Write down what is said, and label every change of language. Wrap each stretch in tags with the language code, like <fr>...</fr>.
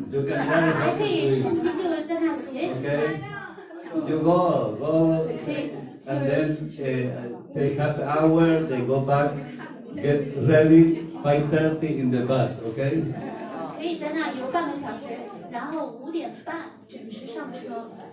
<zh>还可以趁机就在那学习。</zh> <en>You go. And then they have an hour, they go back, get ready, 5:30 in the bus, okay?</en> <zh>可以在那游半个小时，然后5:30准时上车。</zh>